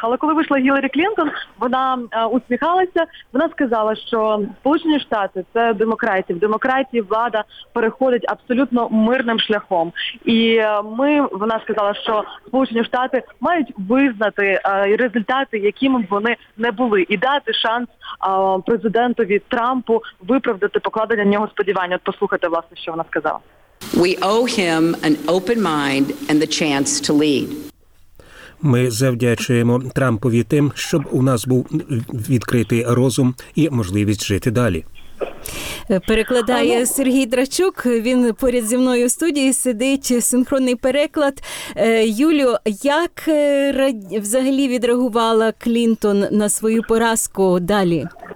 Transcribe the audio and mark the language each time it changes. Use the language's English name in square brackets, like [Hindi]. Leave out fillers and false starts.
[Ukrainian] Але коли вийшла Гіларі Клінтон, вона усміхалася, вона сказала, що Сполучені Штати – це демократія. В демократії влада переходить абсолютно мирним шляхом. І вона сказала, що Сполучені Штати мають визнати результати, якими б вони не були, і дати шанс президенту від Трампу виправдати покладення на нього сподівання. От послухайте, власне, що вона сказала. [English] We owe him an open mind and the chance to lead. [Ukrainian] Ми завдячуємо Трампові тим, щоб у нас був відкритий розум і можливість жити далі. Перекладає Сергій Драчук, він поряд зі мною в студії сидить, синхронний переклад. Юлю, як взагалі відреагувала Клінтон на свою поразку далі?